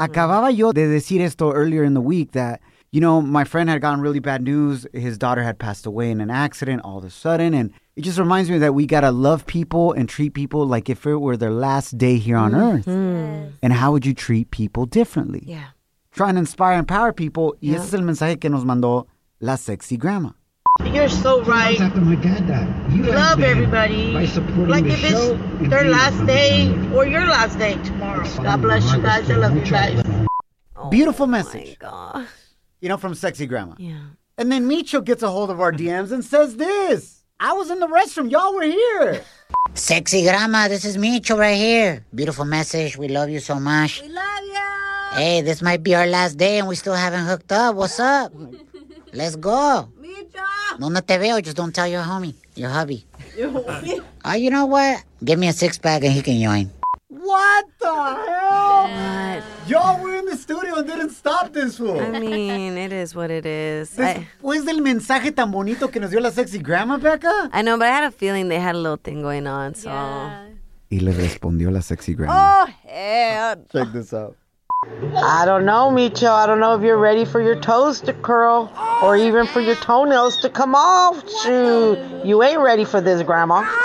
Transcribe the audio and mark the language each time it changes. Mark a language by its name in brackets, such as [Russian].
[Spanish] Acababa yo de decir esto [English] earlier in the week that, you know, my friend had gotten really bad news. His daughter had passed away in an accident all of a sudden, and it just reminds me that we got to love people and treat people like if it were their last day here on mm-hmm. earth. And how would you treat people differently? Yeah. Try and inspire and empower people. Yeah. [Spanish] Y ese es el mensaje que nos mandó la sexy grandma. [English] You're so right. After my dad died. You love everybody. By supporting like the if show, it's their last day or your last day tomorrow. God bless you guys. I love you guys. Beautiful message. Oh, my gosh. You know, from sexy grandma. Yeah. And then Micho gets a hold of our DMs and says this. I was in the restroom. Y'all were here. Sexy grandma, this is Micho right here. Beautiful message. We love you so much. We love you. Hey, this might be our last day and we still haven't hooked up. What's up? Let's go. Micho. [Spanish] No te veo. [English] Just don't tell your homie, your hubby. Your homie? Oh, you know what? Give me a six-pack and he can join. What the hell? What? Y'all were in the studio and didn't stop this fool. I mean, it is what it is. [Spanish] Después del mensaje tan bonito que nos dio la sexy grandma, Becca? [English] I know, but I had a feeling they had a little thing going on, so. [Spanish] Y le respondió la sexy grandma. [English] Oh, hell. Check this out. I don't know, Micho. I don't know if you're ready for your toes to curl or even for your toenails to come off. Shoot. You ain't ready for this, grandma.